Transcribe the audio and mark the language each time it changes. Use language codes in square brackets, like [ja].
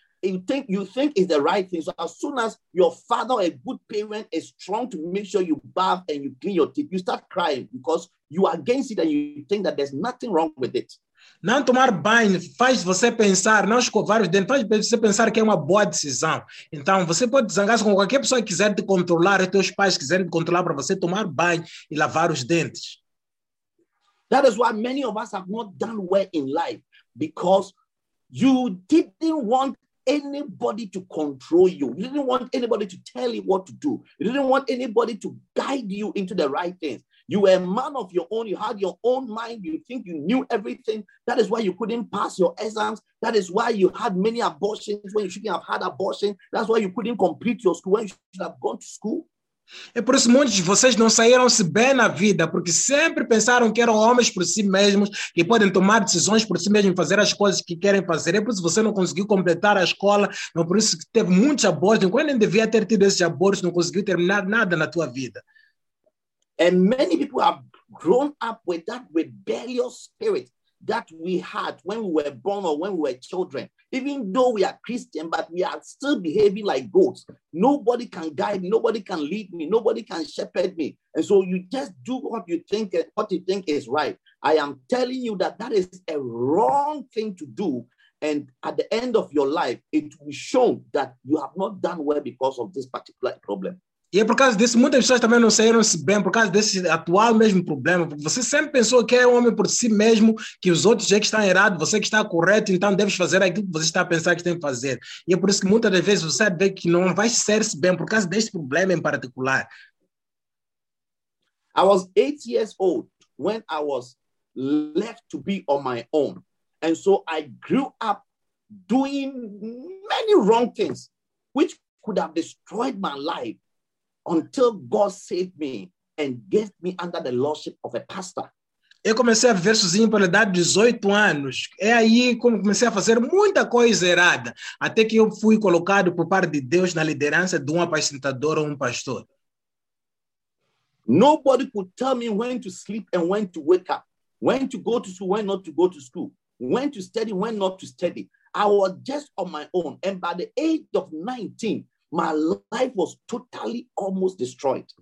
[en] You think it's the right thing. So as soon as your father, a good parent, is strong to make sure you bath and you clean your teeth, you start crying because you are against it and you think that there's nothing wrong with it. [pt] Não tomar banho faz você pensar, não escovar os dentes, faz você pensar que é uma boa decisão. Então, você pode zangar-se com qualquer pessoa que quiser te controlar, os teus pais quiserem te controlar para você tomar banho e lavar os dentes. [en] That is why many of us have not done well in life, because you didn't want anybody to control you. You didn't want anybody to tell you what to do. You didn't want anybody to guide you into the right things. You were a man of your own. You had your own mind. You think you knew everything. That is why you couldn't pass your exams. That is why you had many abortions when you shouldn't have had abortions. That's why you couldn't complete your school when you should have gone to school. [pt] É por isso que muitos de vocês não saíram-se bem na vida, porque sempre pensaram que eram homens por si mesmos, que podem tomar decisões por si mesmos, fazer as coisas que querem fazer. É por isso que você não conseguiu completar a escola, é por isso que teve muitos abortos. Quando nem devia ter tido esses abortos, não conseguiu terminar nada na tua vida. [en] And many people have grown up with that rebellious spirit that we had when we were born or when we were children. Even though we are Christian, but we are still behaving like goats. Nobody can guide me. Nobody can lead me. Nobody can shepherd me. And so you just do what you think is right. I am telling you that is a wrong thing to do. And at the end of your life, it will show that you have not done well because of this particular problem. [pt] E é por causa disso, muitas pessoas também não saíram-se bem, por causa desse atual mesmo problema. Porque você sempre pensou que é um homem por si mesmo, que os outros é que estão errados, você que está correto, então deves fazer aquilo que você está a pensar que tem que fazer. E é por isso que muitas das vezes você vê que não vai ser-se bem, por causa desse problema em particular. [en] I was 8 years old when I was left to be on my own. And so I grew up doing many wrong things, which could have destroyed my life. Until God saved me and gave me under the lordship of a pastor. [pt] Eu comecei a viver sozinho pela idade de 18 anos. É aí como comecei a fazer muita coisa errada, até que eu fui colocado por parte de Deus na liderança de um apacentador ou um pastor. [en] Nobody could tell me when to sleep and when to wake up, when to go to school, when not to go to school, when to study, when not to study. I was just on my own, and by the age of 19, my life was totally almost destroyed.